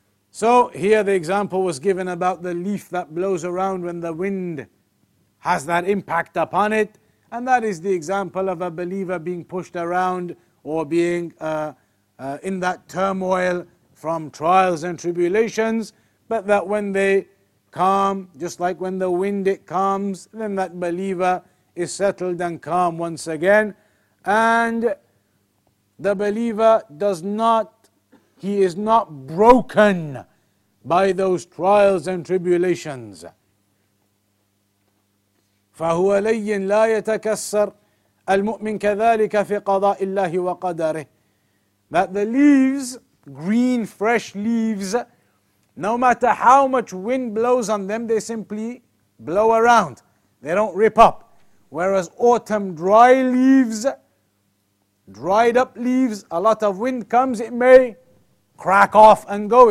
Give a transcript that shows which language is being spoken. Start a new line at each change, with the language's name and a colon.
English: So here the example was given about the leaf that blows around when the wind has that impact upon it, and that is the example of a believer being pushed around or being in that turmoil from trials and tribulations, but that when they calm, just like when the wind it calms, then that believer is settled and calm once again. And the believer does not, he is not broken by those trials and tribulations.
Arabic: فهو لين لا يتكسر المؤمن كذلك في قضاء الله وقدره.
English: That the leaves, green fresh leaves, no matter how much wind blows on them, they simply blow around. They don't rip up. Whereas autumn dry leaves, dried up leaves, a lot of wind comes, it may crack off and go.